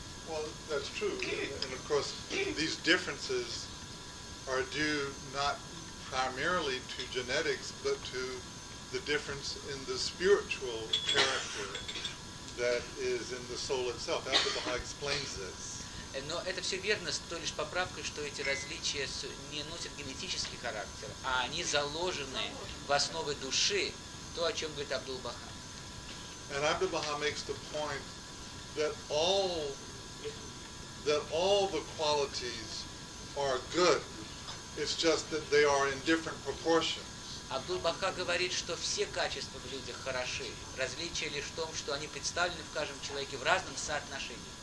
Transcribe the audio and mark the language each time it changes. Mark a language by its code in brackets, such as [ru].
[en] Well, that's true, and of course these differences are due not primarily to genetics, but to the difference in the spiritual character that is in the soul itself. Abdu'l-Bahá explains this. [ru] Но это все верно с той лишь поправкой, что эти различия не носят генетический характер, а они заложены в основы души, то, о чем говорит Абдул-Бахá. [en] And Abdu'l-Bahá makes the point that all the qualities are good. It's just that they are in different proportions. [ru] Абдул-Бахá говорит, что все качества в людях хороши. Различие лишь в том, что они представлены в каждом человеке в разном соотношении.